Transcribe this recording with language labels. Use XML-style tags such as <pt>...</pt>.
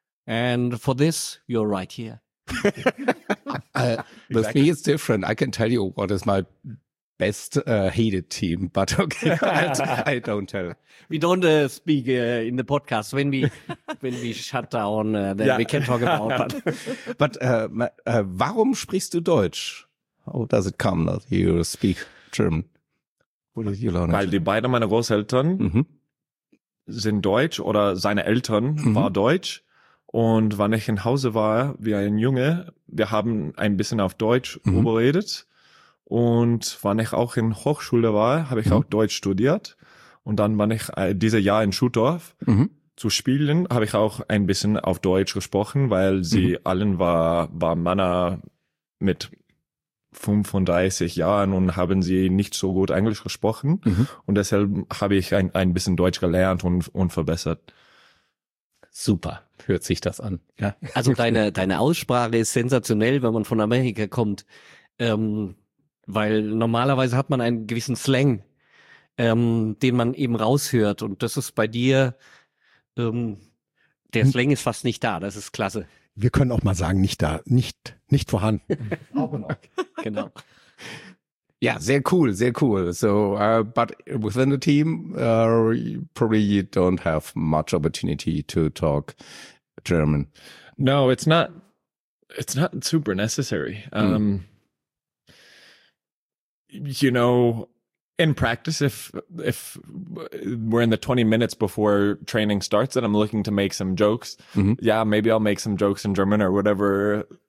<en>And for this, you're right here. With me, it's different. I can tell you what is my best hated team, but okay, I don't tell. We don't speak in the podcast when we when we shut down. Then we can talk about. But</en> <de>warum sprichst du Deutsch?</de> <en>How does it come that you speak German? What did you learn?</en> <de>Weil die beide meine Großeltern sind Deutsch, oder seine Eltern war Deutsch. Und wann ich in Hause war, wie ein Junge, wir haben ein bisschen auf Deutsch überredet. Und wann ich auch in Hochschule war, habe ich auch Deutsch studiert. Und dann, wann ich dieses Jahr in Schuttorf zu spielen, habe ich auch ein bisschen auf Deutsch gesprochen, weil sie allen war Männer mit 35 Jahren und haben sie nicht so gut Englisch gesprochen. Und deshalb habe ich ein bisschen Deutsch gelernt und verbessert. Super, hört sich das an. Ja. Also deine Aussprache ist sensationell, wenn man von Amerika kommt. Weil normalerweise hat man einen gewissen Slang, den man eben raushört. Und das ist bei dir, der Slang ist fast nicht da. Das ist klasse. Wir können auch mal sagen, nicht da, nicht vorhanden. Auch noch. Genau. Yeah, sehr cool, sehr cool.</de> <en>So, but within the team, probably you don't have much opportunity to talk German. No, it's not super necessary. You know, in practice, if we're in the 20 minutes before training starts and I'm looking to make some jokes, yeah, maybe I'll make some jokes in German or whatever.</en>